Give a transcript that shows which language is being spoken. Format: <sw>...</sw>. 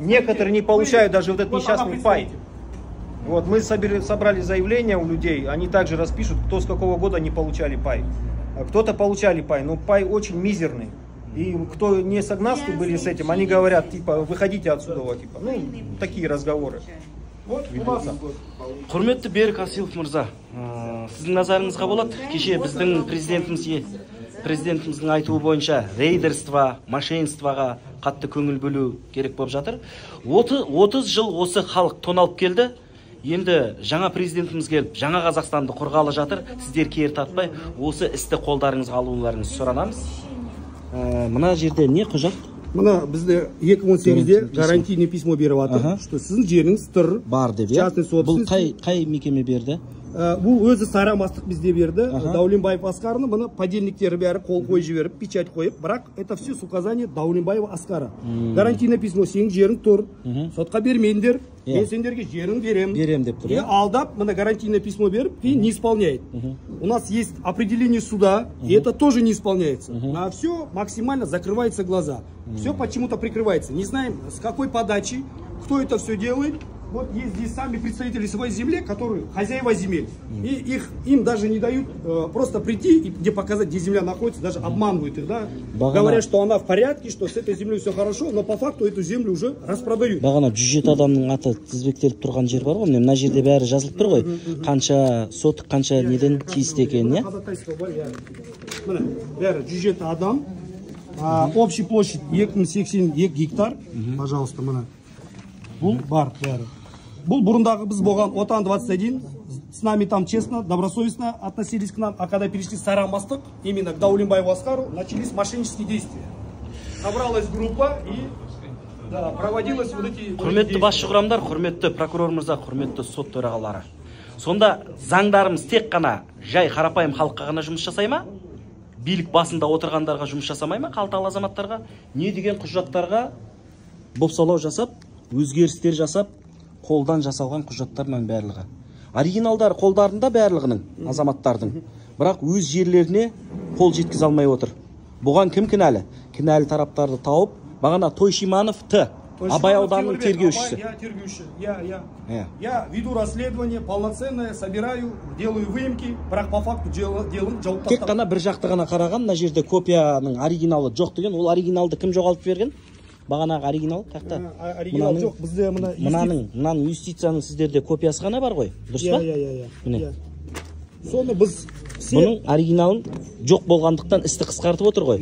<ru>Некоторые не получают даже вот этот несчастный пай. Вот мы собрали заявление у людей, они также распишут, кто с какого года не получали пай. Кто-то получали пай, но пай очень мизерный. И кто не согласны были с этим, они говорят, типа, выходите отсюда, вот, типа. Ну, такие разговоры.</ru> <kk>Құрметті Берік Асилов мырза, сіздің назарыңызға болады, кеше біздің президентіміздің айтуы бойынша рейдерство, мошенствоға қатты көңіл бөлу керек болып жатыр. 30 жыл осы халық тоналып келді, енді жаңа президентіміз келіп, жаңа Қазақстанды қорғалы жатыр, сіздер кері тартпай осы істі қолдарыңызға алуларыңызды сұранамыз. Мына жерде не құжат? Мына бізде 2018-де гарантийный письмо беріп жатыр,</kk> <ru>что</ru> <kk>сіздің жеріңіз тұр. Бар деп, иә? Бұл қай мекеме берді? Бұл өзі Сарамастық бізде берді. Дәуленбаев Асқарыны, мына подельниктері бәрі қол қойып жіберіп, печать қойып, бірақ</kk> <ru>это все с указания</ru> <kk>Дәуленбаева Асқары. Гарантийный письмо, сенің жерің тұр. Сотқа бермеңдер, мен сендерге жерімді беремін. Берем деп тұр.</kk> <ru>И</ru> <kk>алдап, мына гарантийный письмо беріп, кейін</kk> <ru>не исполняет. У нас есть определение суда, и это тоже не исполняется. На все максимально закрываются глаза. Все почему-то прикрывается. Не знаем, с какой подачи, кто это все делает. Вот есть здесь сами представители своей земли, которые хозяева земель. И им даже не дают просто прийти и где показать, где земля находится. Даже обманывают их, да? Говорят, что она в порядке, что с этой землей все хорошо, но по факту эту землю уже распродают.</ru> <kk>Бағана, 107 адамның аты тізбектеліп тұрған жер бар ғой, мына жерде бәрі жазылып тұр ғой. Қанша сот, қанша неден тиісті екен, иә? Бәрі 107 адам.</kk> <ru>Общий площадь 2080 гектар, пожалуйста,</ru> <kk>мына. Бұл бар бәрі. Бұл бұрындағы біз болған Отан 21.</kk> <ru>С нами там честно, добросовестно относились к нам. А когда перешли в Сарамастык, именно к Дәуленбаеву Асқару, начались мошеннические действия. Собралась группа и проводилось вот эти...</ru> <kk>Құрметті басшы құрамдар, құрметті прокурор мырза, құрметті сот төрағалары. Сонда заңдарымыз тек қана жай қарапайым халыққа ғана жұмыс жасай ма? Билік басында отырғандарға жұмыс жасамай ма? Қалталы азаматтарға не деген құжаттарға бопсалау жасап, өзгерістер жасап, қолдан жасалған құжаттармен барлығы. Оригиналдар қолдарында барлығының, азаматтардың, бірақ өз жерлеріне қол жеткізе алмай отыр. Бұған кім кінәлі? Кінәлі тараптарды тауып, бағана Тойшиманов Т. Абай ауданының тергеушісі. Я тергеуші.</kk> <ru>Я веду расследование полноценное, собираю, делаю выемки,</ru> <kk>бірақ</kk> <ru>по факту</ru> <kk>делым жауып тастап. Тек қана бір жақты ғана қараған, мына жерде копияның оригиналы жоқ деген, ол оригиналды кім жоғалтып берген? Бағанағы оригинал қайда? Оригинал жоқ, бізде мынаның юстицияның сіздерде копиясы ғана бар ғой, дұрыс па? Иә. Соны біз бұның оригиналын жоқ болғандықтан істі қысқартып отыр ғой.</kk>